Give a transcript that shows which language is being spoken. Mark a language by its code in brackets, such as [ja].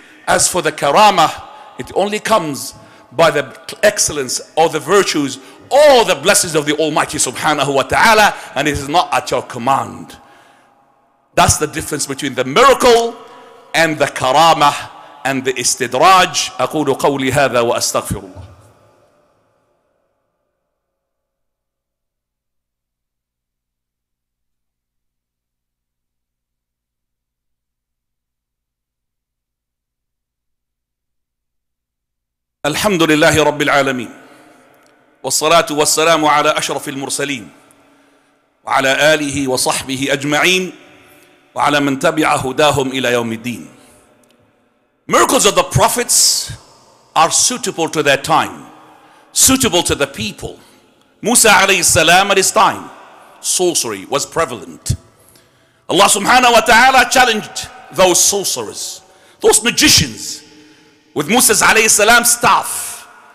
[en] As for the karama, it only comes by the excellence or the virtues or the blessings of the Almighty subhanahu wa ta'ala, and it is not at your command. That's the difference between the miracle and the karama and the istidraj. [ar] أقول قولي هذا وأستغفر الله. الحمد لله رب العالمين والصلاة والسلام على أشرف المرسلين وعلى آله وصحبه أجمعين وَعَلَى مَنْ تَبِعَ هُدَاهُمْ إِلَى يَوْمِ الدِّينِ. [en] Miracles of the prophets are suitable to their time, suitable to the people. Musa alayhi salam, at his time, sorcery was prevalent. Allah subhanahu wa ta'ala challenged those sorcerers, those magicians, with Musa alayhi salam's staff.